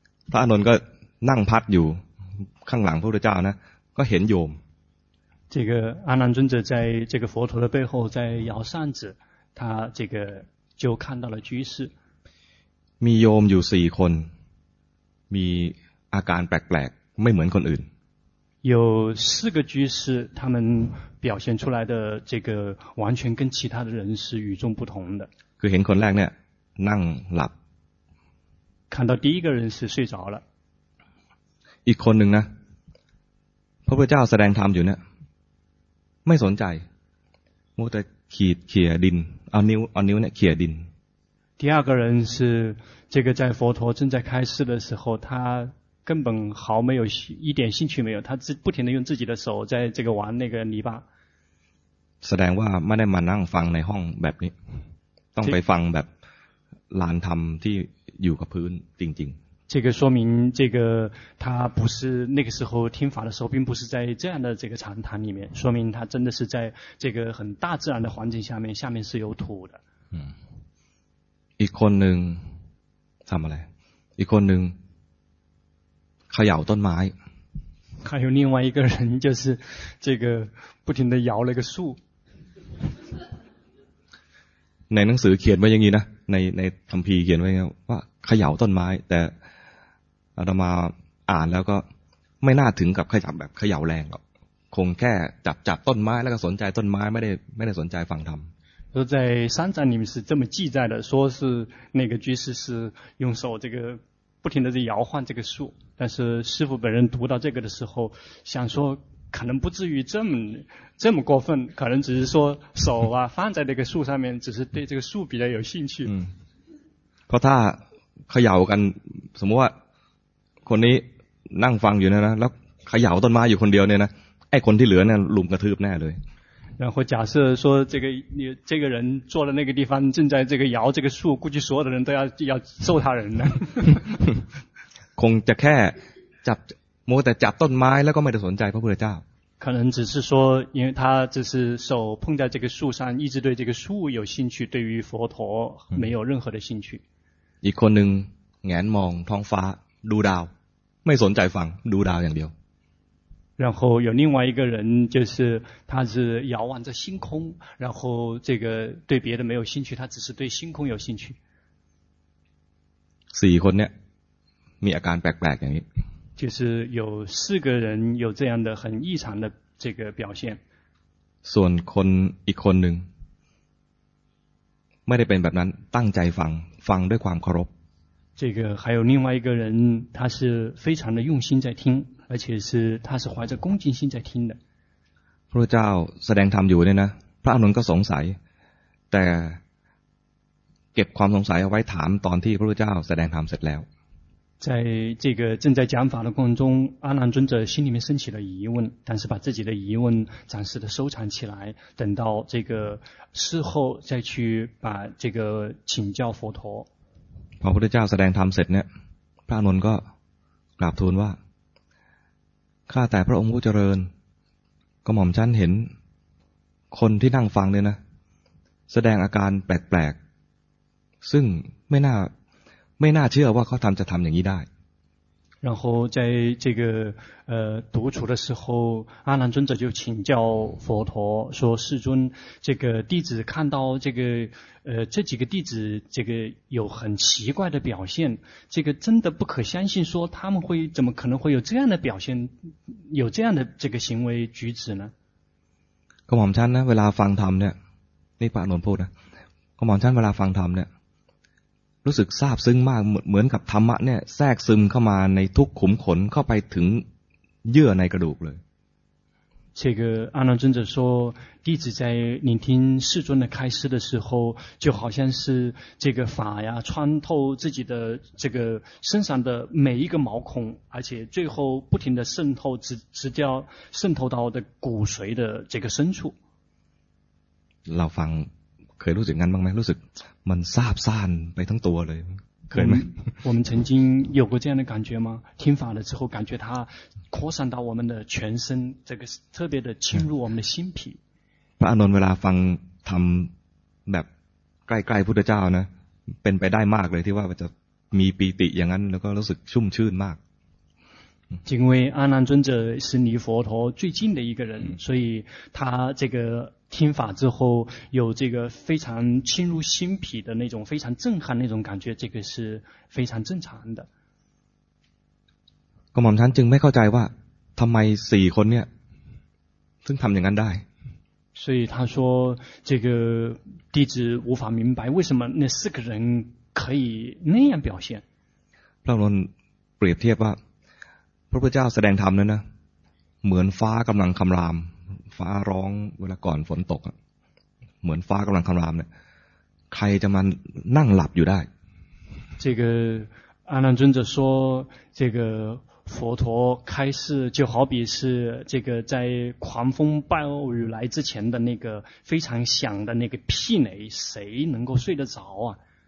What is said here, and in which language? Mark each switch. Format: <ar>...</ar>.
<th>พระอานนท์ก็นั่งพัดอยู่ข้างหลังพระพุทธเจ้านะก็เห็นโยม</th> <zh>这个阿难尊者在这个佛陀的背后在摇扇子他这个就看到了居士</zh> <th>มีโยมอยู่4คนมีอาการแปลกๆไม่เหมือนคนอื่น</th> <zh>有4个居士他们表现出来的这个完全跟其他的人是与众不同的</zh> <th>คือเห็นคนแรกเนี่ยนั่งหลับ</th> <zh>看到第一个人是睡着了</zh> <th>อีกคนหนึ่งนะพระพุทธเจ้าแสดงธรรมอยู่เนี่ยไม่สนใจมัวแต่ขีดเขี่ยดินเอานิ้วเนี่ยเขี่ยดิน</th> <zh>第二个人是这个在佛陀正在开示的时候他根本毫没有一点兴趣没有他不停地用自己的手在这个玩那个泥巴</zh> <th>แสดงว่าไม่ได้มานั่งฟังในห้องแบบนี้ต้องไปฟังแบบลานธรรมที่อยู่กับพื้นจริง</th> <zh>ๆ这个说明这个他不是那个时候听法的时候并不是在这样的这个禅堂里面说明他真的是在这个很大自然的环境下面是有土的</zh> <th>อีกคนหนึ่งทำอะไรอีกคนหนึ่งเขย่าต้นไม้</th> <zh>还有另外一个人就是这个不停地摇那个树</zh> <th>ในหนังสือเขียนไว้อย่างนี้นะในคัมภีร์เขียนไว้ว่าเขย่าต้นไม้แต่อาตมาอ่านแล้วก็ไม่น่าถึงกับขยับแบบเขย่าแรงหรอกคงแค่จับต้นไม้แล้วก็สนใจต้นไม้ไม่ได้สนใจฟังธรรม</th> <zh>说在三藏里面是这么记载的说是那个居士是用手这个不停的在摇晃这个树但是师父本人读到这个的时候想说可能不至于这么过分可能只是说手啊放在那个树上面只是对这个树比较有兴趣</zh> <th>嗯เพราะถ้าเขย่ากันสมมติว่าคนนี้นั่งฟังอยู่นะแล้วเขย่าต้นไม้อยู่คนเดียวเนี่ยนะไอ้คนที่เหลือเนี่ยลุมกระทืบแน่เลย</th> <zh>然后假设说这个人坐的那个地方正在这个摇这个树估计所有的人都要揍他人呢</zh> <th>คงจะแค่จับมัวแต่จับต้นไม้แล้วก็ไม่ได้สนใจพระพุทธเจ้า</th> <zh>可能只是说因为他只是手碰在这个树上一直对这个树有兴趣对于佛陀没有任何的兴趣</zh> <th>อีกคนหนึ่งแงนมองท้องฟ้าดูดาวไม่สนใจฟังดูดาวอย่างเดียว</th> <zh>然后有另外一个人就是他是遥望着星空然后这个对别的没有兴趣他只是对星空有兴趣</zh> <th>4คนเนี่ยมีอาการแปลกๆอย่างนี้</th> <zh>就是有4个人有这样的很异常的这个表现</zh> <th>ส่วนคนอีกคนหนึ่งไม่ได้เป็นแบบนั้นตั้งใจฟังด้วยความเคารพ</th> <zh>这个还有另外一个人他是非常的用心在听而且是他是怀着恭敬心在听的</zh> <th>พระเจ้าแสดงธรรมอยู่เนี่ยนะพระอานนท์ก็สงสัยแต่เก็บความสงสัยเอาไว้ถามตอนที่พระเจ้าแสดงธรรมเสร็จแล้ว</th> <zh>在这个正在讲法的过程中阿难尊者心里面升起了疑问但是把自己的疑问暂时的收藏起来等到这个事后再去把这个请教佛陀</zh> <th>พอพระเจ้าแสดงธรรมเสร็จเนี่ยพระอานนท์ก็กราบทูลว่าข้าแต่พระองค์ผู้เจริญก็หม่อมฉันเห็นคนที่นั่งฟังเนี่ยนะแสดงอาการแปลกๆซึ่งไม่น่าเชื่อว่าเขาทำจะทำอย่างนี้ได้</th> <zh>然后在这个独处的时候阿难尊者就请教佛陀说世尊这个弟子看到这个这几个弟子这个有很奇怪的表现这个真的不可相信说他们会怎么可能会有这样的表现有这样的这个行为举止呢</zh> <th>ก็หม่อมฉันนะเวลาฟังธรรมเนี่ยนี่พระอานนท์พูดนะก็หม่อมฉันเวลาฟังธรรมเนี่ยรู้สึกซาบซึ้งมากเหมือนกับธรรมะเนี่ยแทรกซึมเข้ามาในทุกขุมขนเข้าไปถึงเยื่อในกระดูกเลย</th> <zh>这个阿难尊者说弟子在聆听世尊的开示的时候就好像是这个法呀穿透自己的这个身上的每一个毛孔而且最后不停的渗透直掉渗透到的骨髓的这个深处</zh> <th>老方เคยรู้สึกงั้นบ้างไหมรู้สึกมันซาบซ่านไปทั้งตัวเลย</th> <zh>可以吗？我们曾经有过这样的感觉吗？听法了之后，感觉它扩散到我们的全身，这个特别的侵入我们的心脾。</zh> <th>พระอนุนเวลาฟังทำแบบใกล้ๆพุทธเจ้านะเป็นไปได้มากเลยที่ว่าจะมีปีติอย่างนั้นแล้วก็รู้สึกชุ่มชื่นมาก</th> <zh>因为阿难尊者是离佛陀最近的一个人，所以他这个听法之后有这个非常侵入心脾的那种非常震撼那种感觉，这个是非常正常的。</zh> <th>ก็หม่อมฉันจึงไม่เข้าใจว่าทำไมสี่คนเนี่ยซึ่งทำอย่างนั้นได้</th> <zh>所以他说这个弟子无法明白为什么那四个人可以那样表现。</zh> <th>พระองค์เปรียบเทียบว่าพระพุทธเจ้าแสดงธรรมนั้นนะเหมือนฟ้ากำลังคำรามฟ้าร้องเวลาก่อนฝนตกเหมือนฟ้ากำลังคำรามเนี่ยใครจะมานั่งหลับอยู่ได้</th> <zh>这个阿难尊者说这个佛陀开示就好比是这个在狂风暴雨来之前的那个非常响的那个霹雷谁能够睡得着啊</zh>